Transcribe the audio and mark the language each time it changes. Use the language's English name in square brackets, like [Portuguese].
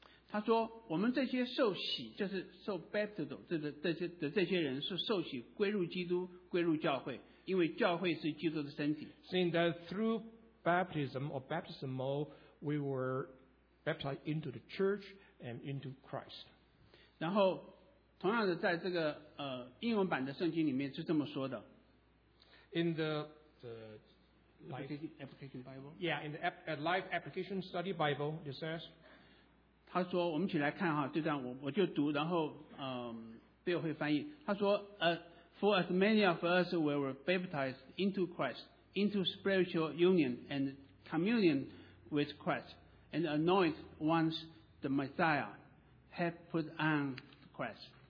[Chinese] 他说我们这些受洗就是受 baptized 的这些人是受洗归入基督归入教会因为教会是基督的身体 [English] Seeing that through baptism or baptismal, we were baptized into the church and into Christ. [Chinese] 然后，同样的，在这个英文版的圣经里面是这么说的。 [English] In the Life Application Bible. Yeah, in the Life Application Study Bible, it says. [Chinese] 他说，我们一起来看哈，这段我就读，然后，贝尔会翻译。他说， [English] For as many of us who were baptized into Christ, into spiritual union and communion with Christ, and anointed once the Messiah, have put on Christ.